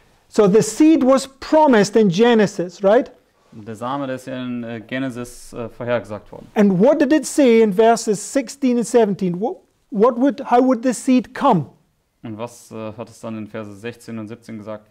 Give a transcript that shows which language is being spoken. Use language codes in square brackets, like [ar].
[en] So the seed was promised in Genesis, right? [de] Der Same, der ist ja in Genesis vorhergesagt worden. [en] And what did it say in verses 16 and 17? How would the seed come? [de] Und was hat es dann in Verse 16 und 17 gesagt?